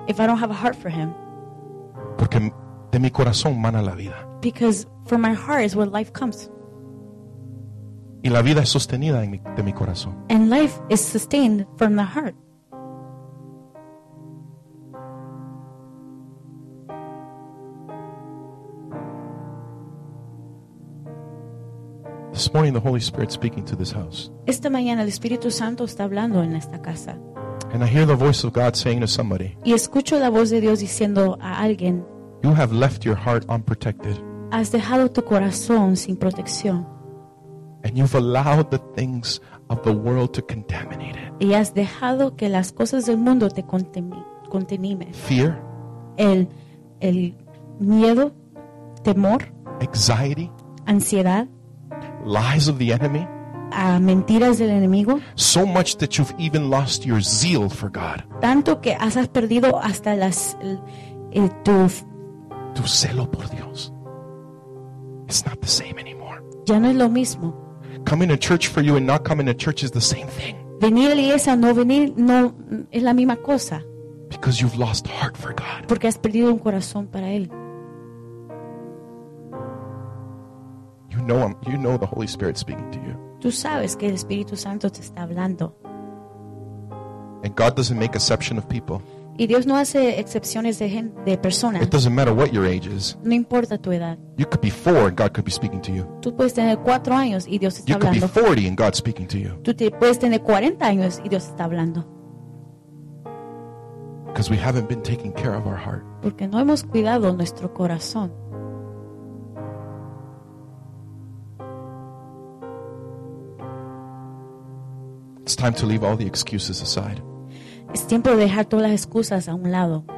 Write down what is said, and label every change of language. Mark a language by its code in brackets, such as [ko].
[en] If I don't have a heart for Him. [es] Porque de mi corazón mana la vida. [en] Because from my heart is where life comes. [es] Y la vida es sostenida en de mi corazón. [en] And life is sustained from the heart. This morning the Holy Spirit speaking to this house. [es] Esta mañana el Espíritu Santo está hablando en esta casa. [en] And I hear the voice of God saying to somebody. [es] Y escucho la voz de Dios diciendo a alguien. [en] You have left your heart unprotected. [es] Has dejado tu corazón sin protección. [en] And you've allowed the things of the world to contaminate it. [es] Y has dejado que las cosas del mundo te contaminen. [en] Fear. [es] El miedo, temor. [en] Anxiety. [es] Ansiedad. [en] Lies of the enemy. [es] Mentiras del enemigo. [en] So much that you've even lost your zeal for God. [es] Tanto que has perdido hasta tu celo por Dios. [en] It's not the same anymore. [es] Ya no es lo mismo. [en] Coming to church for you and not coming to church is the same thing. [es] Venir a la iglesia, no venir, no es la misma cosa. [en] Because you've lost heart for God. [es] Porque has perdido un corazón para Él. [en] You know the Holy Spirit speaking to you. [es] Tú sabes que el Espíritu Santo te está hablando. [en] And God doesn't make exception of people. [es] Y Dios no hace excepciones de gente, de personas. [en] It doesn't matter what your age is. [es] No importa tu edad. [en] You could be 4 and God could be speaking to you. [es] Tú puedes tener 4 años y Dios está [en] you [es] hablando. [en] You could be 40 and God speaking to you. [es] Tú puedes tener 40 años y Dios está hablando. [en] Because we haven't been taking care of our heart. [es] Porque no hemos cuidado nuestro corazón. [en] It's time to leave all the excuses aside. [es] Es tiempo de dejar todas las excusas a un lado.